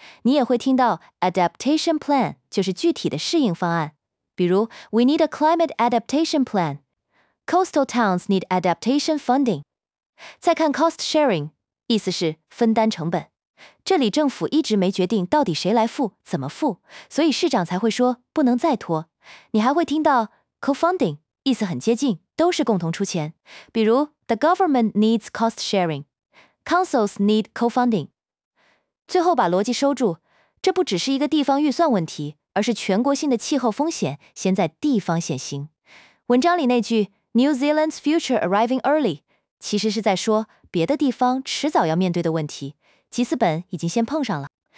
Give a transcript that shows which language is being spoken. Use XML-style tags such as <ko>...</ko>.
<zh>你也会听到 Adaptation Plan 就是具体的适应方案，比如</zh> <en>We need a Climate Adaptation Plan。 Coastal towns need adaptation funding.</en> <zh>再看 cost sharing， 意思是分担成本。这里政府一直没决定到底谁来付、怎么付，所以市长才会说不能再拖。你还会听到 co-funding， 意思很接近，都是共同出钱。比如</zh> <en>the government needs cost sharing， councils need co-funding。</en> <zh>最后把逻辑收住，这不只是一个地方预算问题，而是全国性的气候风险先在地方显形。文章里那句</zh> <en>New Zealand's future arriving early，</en> <zh>其实是在说别的地方迟早要面对的问题，吉斯本已经先碰上了。</zh>